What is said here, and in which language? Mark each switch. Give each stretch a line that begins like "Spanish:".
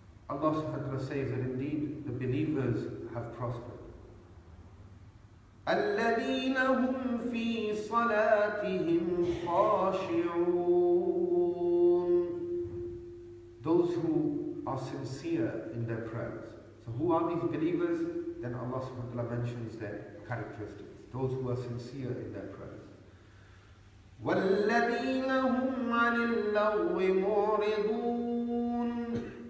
English: Allah subhanahu wa ta'ala says that indeed the believers have prospered.
Arabic: الذين هم في صلاتهم خاشعون.
English: Those who are sincere in their prayers. So who are these believers? Then Allah subhanahu wa ta'ala mentions their characteristics. Those who are sincere in their prayers.
Arabic: وَالَّذِينَ هُمْ عَنِ اللَّغْوِ مُعْرِضُونَ.